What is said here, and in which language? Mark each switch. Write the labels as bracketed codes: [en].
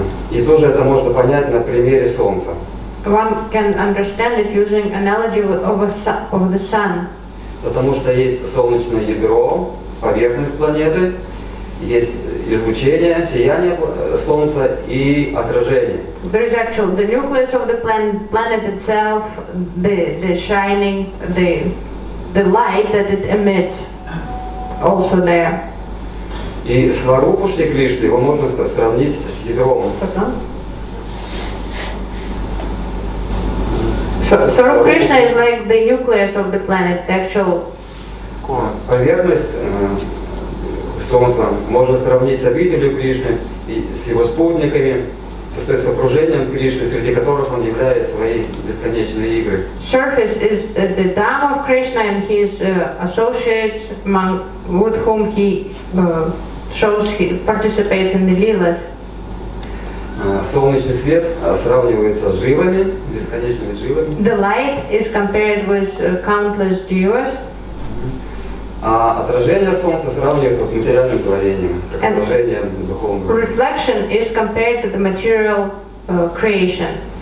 [ru] И тоже это можно понять на примере солнца. [en] One can understand it using analogy of the sun. [ru] Потому что есть солнечное ядро, поверхность планеты, есть излучение, сияние солнца и отражение. [en] There is actually the nucleus of the planet itself, the shining, the light that it emits, also there. [ru] И сварупу Шри Кришны его можно сравнить с ядром. [en] Сварупа Кришна is like the nucleus of the planet, the actual [ru] поверхность. Солнце можно сравнить с обителью Кришны и с его спутниками, со своим окружением Кришны, среди которых он являет свои бесконечные игры. [en] Surface is the dam of Krishna and his associates among with whom he shows he participates in the lilas. [ru] Солнечный свет сравнивается с дживами, бесконечными дживами. [en] The light is compared with countless jivas. [ru] А отражение солнца сравнивается с материальным творением, как отражение духовного творения. [en] Reflection is compared to the material creation.